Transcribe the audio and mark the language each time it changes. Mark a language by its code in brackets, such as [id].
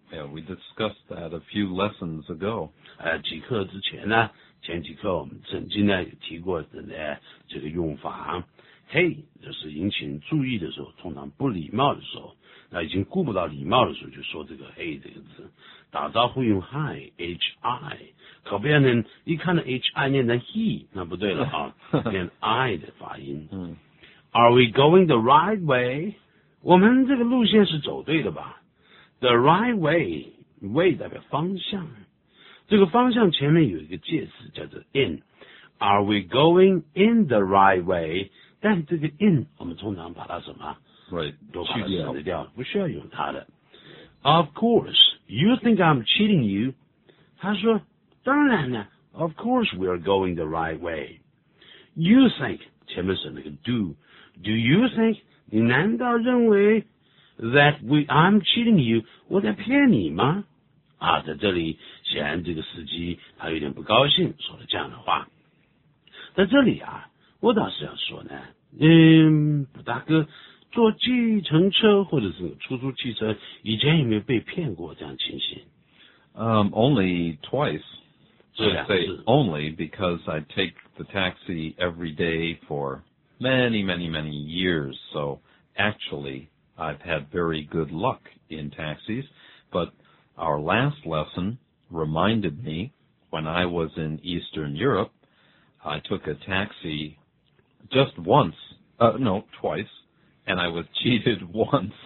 [en] Yeah, we discussed that a few lessons ago. [zh] 几课之前呢，前几课我们曾经呢也提过的呢这个用法。 Hey, 这是引起人注意的时候，通常不礼貌的时候，那已经顾不到礼貌的时候，就说这个 Hey 这个字。打招呼用 Hi, H-I, 可不要呢一看到 H-I 念成 He, 那不对了啊，念 I 的发音。 [en] Are we going the right way? [zh] 我们这个路线是走对的吧？ [en] The right way, [zh] way 代表方向，这个方向前面有一个介词叫做 in。 [en] Are we going in the right way? [zh] 但这个 in 我们通常把它什么 [en] right, [zh] 都把它省得掉，不需要用它的。 [en] Of course, you think I'm cheating you? [zh] 他说当然呢， [en] Of course we are going the right way. You think [zh] 前面是那个 [en] do， Do you think [zh] 你难道认为 [en] That we, I'm cheating you, [zh] 我在骗你吗？啊，在这里显然这个司机他有点不高兴，说了这样的话。在这里啊，我倒是要说呢，大哥，坐计程车或者是出租汽车，以前有没有被骗过这样情形？ [en] Only twice. [zh] 这两次。 [en] Only because I take the taxi every day for many, many, many years, so actually. I've had very good luck in taxis, but our last lesson reminded me when I was in Eastern Europe, I took a taxi just once, twice, and I was cheated once.